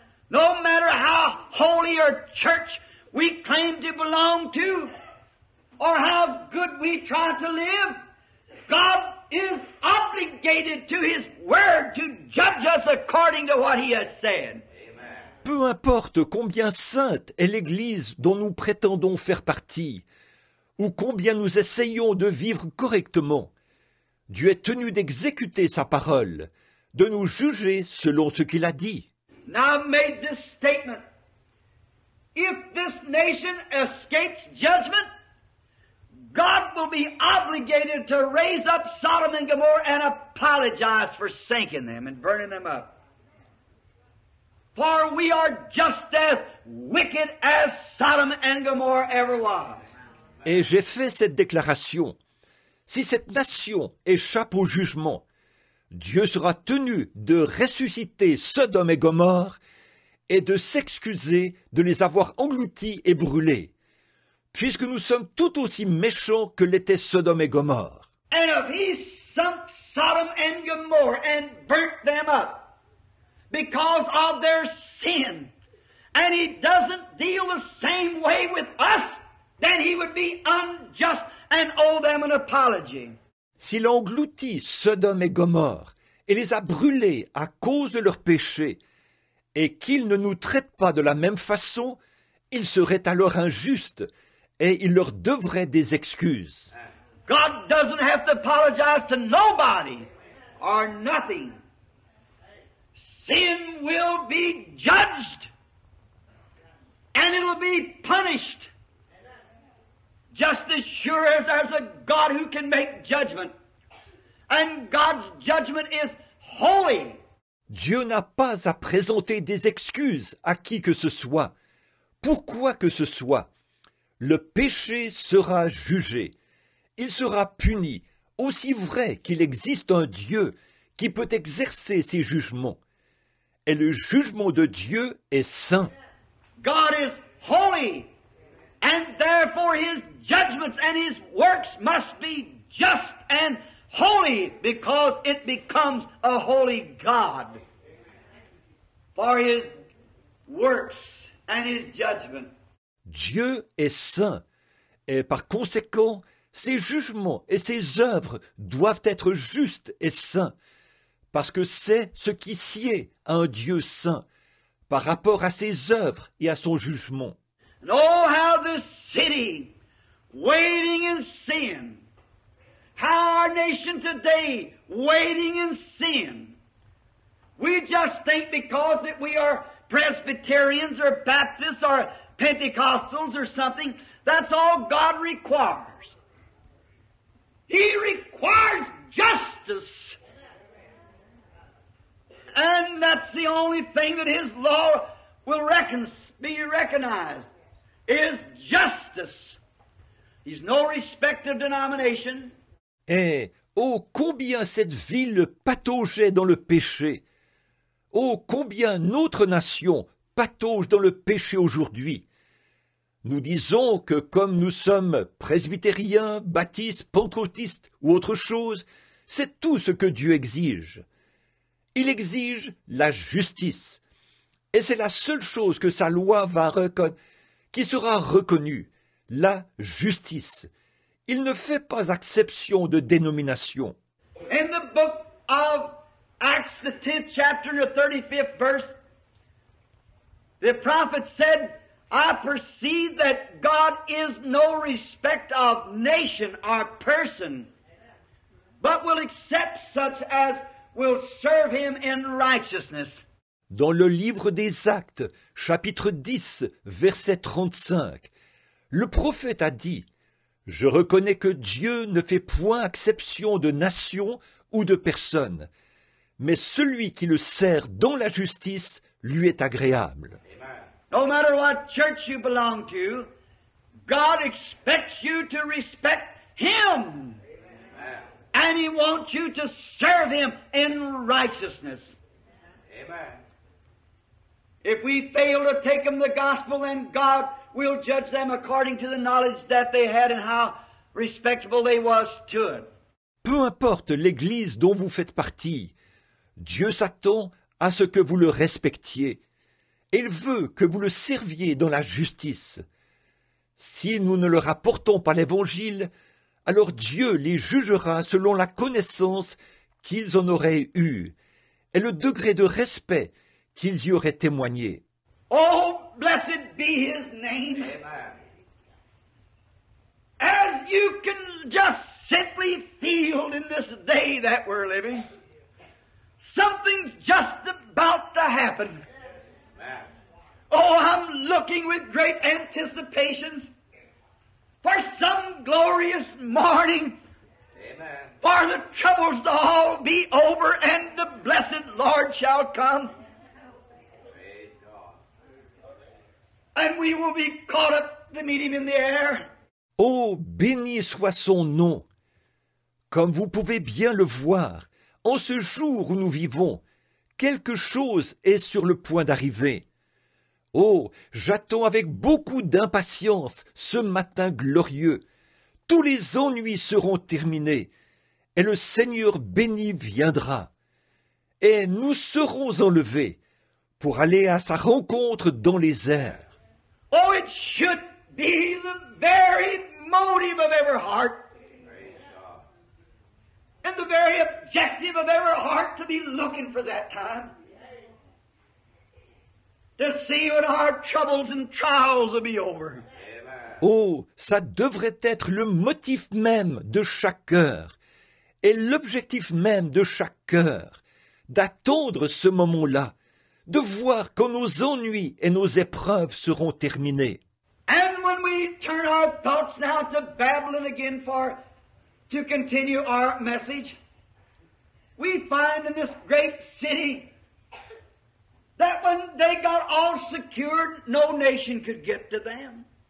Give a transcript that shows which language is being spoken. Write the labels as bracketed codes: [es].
[en] No matter how holy or church we claim to belong to, or how good we try to live, God is obligated to His Word to judge us according to what He has said. [fr] Peu importe combien sainte est l'Église dont nous prétendons faire partie, ou combien nous essayons de vivre correctement, Dieu est tenu d'exécuter sa parole, de nous juger selon ce qu'il a dit. [en] Now I've made this statement. If this nation escapes judgment, God will be obligated to raise up Sodom and Gomorrah and apologize for sinking them and burning them up. For we are just as wicked as Sodom and Gomorrah ever was. [fr] Et j'ai fait cette déclaration. Si cette nation échappe au jugement, Dieu sera tenu de ressusciter Sodome et Gomorre et de s'excuser de les avoir engloutis et brûlés, puisque nous sommes tout aussi méchants que l'étaient Sodome et Gomorre. [en] And if he sunk Sodom and Gomorrah and burnt them up because of their sin, and he doesn't deal the same way with us, then he would be unjust and owe them an apology. [fr] S'il engloutit Sodome et Gomorre et les a brûlés à cause de leurs péchés et qu'il ne nous traite pas de la même façon, il serait alors injuste et il leur devrait des excuses. [en] God doesn't have to apologize to nobody or nothing. Sin will be judged and it will be punished. Just as sure as there's a God who can make judgment. And God's judgment is holy. [fr] Dieu n'a pas à présenter des excuses à qui que ce soit. Pourquoi que ce soit, le péché sera jugé. Il sera puni, aussi vrai qu'il existe un Dieu qui peut exercer ses jugements. Et le jugement de Dieu est saint. [en] God is holy. And therefore his judgments and his works must be just and holy because it becomes a holy God. For his works and his judgment. [fr] Dieu est saint et par conséquent ses jugements et ses œuvres doivent être justes et saints parce que c'est ce qui sied à un Dieu saint par rapport à ses œuvres et à son jugement. [en] And oh, how this city, waiting in sin, how our nation today, waiting in sin. We just think because that we are Presbyterians or Baptists or Pentecostals or something, that's all God requires. He requires justice. And that's the only thing that His law will be recognized. Is justice. He's no respect of denomination. [fr] Et oh combien cette ville pataugeait dans le péché. Oh combien notre nation patauge dans le péché aujourd'hui. Nous disons que comme nous sommes presbytériens, baptistes, pentecôtistes ou autre chose, c'est tout ce que Dieu exige. Il exige la justice. Et c'est la seule chose que sa loi va reconnaître. Qui sera reconnu, la justice. Il ne fait pas exception de dénomination. [en] In the book of Acts the 10th chapter, the 35th verse, the prophet said, I perceive that God is no respect of nation or person, but will accept such as will serve him in righteousness. [fr] Dans le livre des Actes, chapitre 10, verset 35, le prophète a dit, « Je reconnais que Dieu ne fait point exception de nation ou de personne, mais celui qui le sert dans la justice lui est agréable. » [en] No matter what church you belong to, God expects you to respect Him. And He wants you to serve Him in righteousness. Amen. If we fail to take them the gospel, then God will judge them according to the knowledge that they had and how respectable they was to it. [fr] Peu importe l'église dont vous faites partie, Dieu s'attend à ce que vous le respectiez. Il veut que vous le serviez dans la justice. Si nous ne le rapportons pas l'Évangile, alors Dieu les jugera selon la connaissance qu'ils en auraient eue et le degré de respect qu'ils y auraient témoigné. [en] Oh, blessed be His name. As you can just simply feel in this day that we're living, something's just about to happen. Oh, I'm looking with great anticipations for some glorious morning. Amen. For the troubles to all be over and the blessed Lord shall come. God. And we will be caught up to meet Him in the air. [fr] Oh, béni soit son nom. Comme vous pouvez bien le voir, en ce jour où nous vivons, quelque chose est sur le point d'arriver. Oh, j'attends avec beaucoup d'impatience ce matin glorieux. Tous les ennuis seront terminés et le Seigneur béni viendra. Et nous serons enlevés pour aller à sa rencontre dans les airs. [en] Oh, it should be the very motive of every heart. And the very objective of every heart to be looking for that time. To see when our troubles and trials will be over. Amen. [fr] Oh, ça devrait être le motif même de chaque cœur et l'objectif même de chaque cœur d'attendre ce moment-là, de voir quand nos ennuis et nos épreuves seront terminés. [en] And when we turn our thoughts now to Babylon again for to continue our message, we find in this great city that when they got all secured, no nation could get to them.